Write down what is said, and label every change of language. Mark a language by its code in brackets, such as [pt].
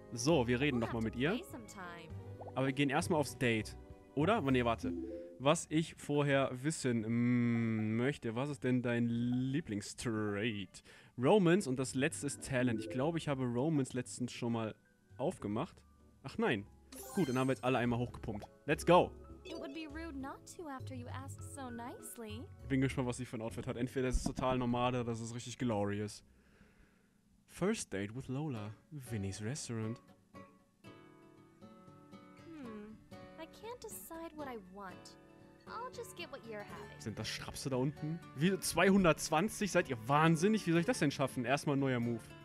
[de] So, wir reden nochmal mit ihr. Aber wir gehen erstmal aufs Date. Oder? Nee, warte. Was ich vorher wissen möchte. Was ist denn dein Lieblingstrait? Romance und das letzte ist Talent. Ich glaube, ich habe Romance letztens schon mal aufgemacht. Ach nein. Gut, dann haben wir jetzt alle einmal hochgepumpt. [en] Let's go! It would be rude not to after you asked so nicely. [de] Ich bin gespannt, was sie für ein Outfit hat. Entweder das ist total normal oder das ist richtig glorious. [en] First date with Lola. Vinny's Restaurant. I can't decide what I want. I'll just get what you're having. [de] Sind das Schrapse da unten? Wie 220? Seid ihr wahnsinnig? Wie soll ich das denn schaffen? Erstmal ein neuer Move.